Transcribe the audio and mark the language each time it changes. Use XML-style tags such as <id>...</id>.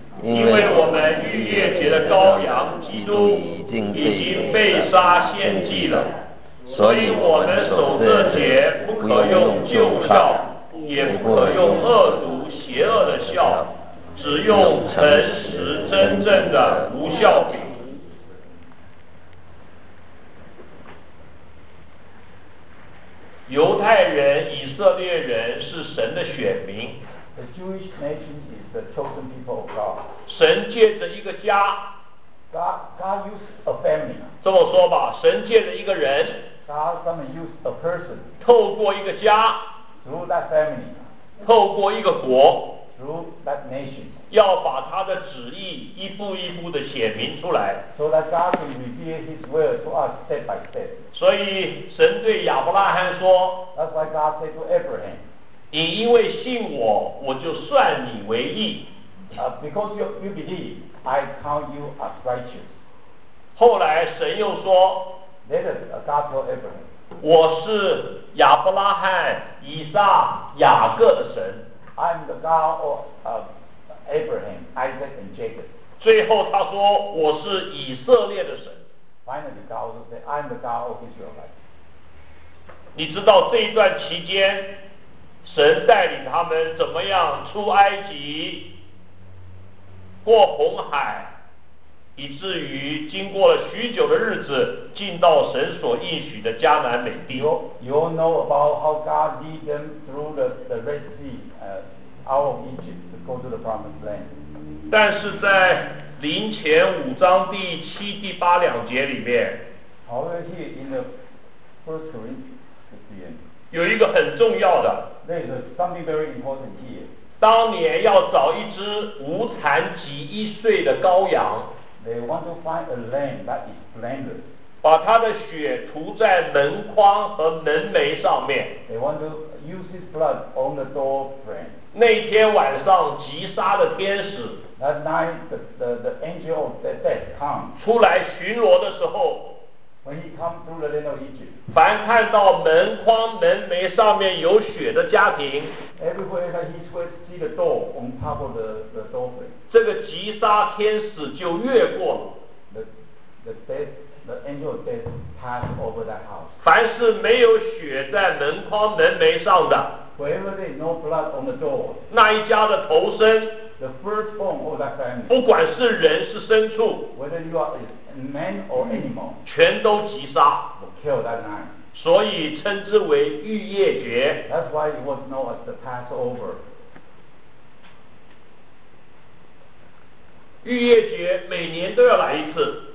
<zh>因为我们逾越节的羔羊基督已经被杀献祭了，所以我们守这节不可用旧酵，也不可用恶毒邪恶的酵，只用诚实真正的无酵饼。犹太人、以色列人是神的选民。</zh> <en>The Jewish nation is the chosen people of God.</en> <zh>神借着一个家。</zh> <en>God used a family.</en> <zh>这么说吧，神借着一个人。</zh> <en>God used a person.</en> <zh>透过一个家。</zh> <en>Through that family.</en> <zh>透过一个国。</zh> <en>Through that nation.</en> <zh>要把他的旨意一步一步的显明出来。</zh> <en>So that God can reveal His will to us step by step.</en> <zh>所以神对亚伯拉罕说。</zh> <en>That's why God said to Abraham.</en> <zh>你因为信我，我就算你为义。</zh> <en>Because you believe, I count you as righteous.</en> <zh>后来神又说。</zh> <en>Later, God told Abraham.</en> <zh>我是亚伯拉罕、以撒、雅各的神。</zh> <en>I'm the God of Abraham, Isaac, and Jacob.</en> <zh>最后他说，我是以色列的神。</zh> <en>Finally, God also said, I'm the God of Israel.</en> <zh>你知道这一段期间，神带领他们怎么样出埃及，过红海，以至于经过了许久的日子，进到神所应许的迦南美地。</zh> <en>You all know about how God lead them through the Red Sea, out of Egypt to go to the Promised Land.</en> <zh>但是在林前五章第七、第八两节里面</zh> <en>，However, here in the First Corinthians,</en> <zh>有一个很重要的</zh> <en>，There is something very important here.</en> <zh>当年要找一只无残及一岁的羔羊。</zh> <en>They want to find a lamb that is blameless.</en> <zh>把他的血涂在门框和门楣上面。</zh> <en>They want to use his blood on the door frame.</en> <zh>那天晚上，击杀的天使。</zh> <en>That night, the angel of death come.</en> <zh>出来巡逻的时候。</zh> <en>When he come through the land of Egypt.</en> <zh>凡看到门框、门楣上面有血的家庭。</zh> <en>Everywhere that he sees the door on top of the door frame.</en> <zh>这个击杀天使就越过了。</zh> <en>The angel of death passed over that house.</en> <zh>凡是没有血在门框门楣上的。</zh> <en>Wherever there is no blood on the door.</en> <zh>那一家的头身。</zh> <en>The firstborn of that family.</en> <zh>不管是人是牲畜。</zh> <en>Whether you are a man or animal.</en> <zh>全都击杀。</zh> <en>Kill that night.</en> <zh>所以称之为逾越节。</zh> <en>That's why it was known as the Passover.</en> <zh>逾越节每年都要来一次。</zh>